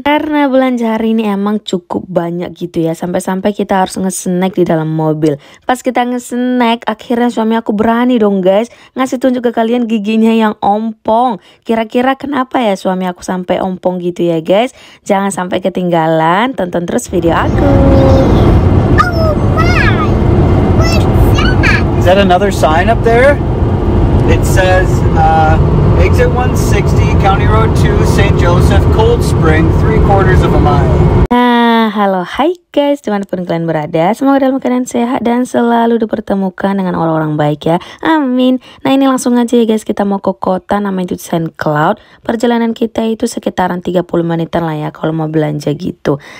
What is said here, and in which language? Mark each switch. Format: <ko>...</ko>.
<id>Karena belanja hari ini emang cukup banyak gitu ya, sampai-sampai kita harus nge-snack di dalam mobil. Pas kita nge-snack, akhirnya suami aku berani dong guys ngasih tunjuk ke kalian giginya yang ompong. Kira-kira kenapa ya suami aku sampai ompong gitu ya guys? Jangan sampai ketinggalan, tonton terus video aku.</id> <en>Is that another sign up there? It says exit 160, County Road 2, St. Joseph, Cold Spring, 3/4 mile.</en> <id>Halo, hai guys, dimanapun kalian berada, semoga dalam keadaan sehat dan selalu dipertemukan dengan orang-orang baik ya, amin. Nah ini langsung aja ya guys, kita mau ke kota namanya St. Cloud. Perjalanan kita itu sekitaran 30 menitan lah ya kalau mau belanja gitu.</id>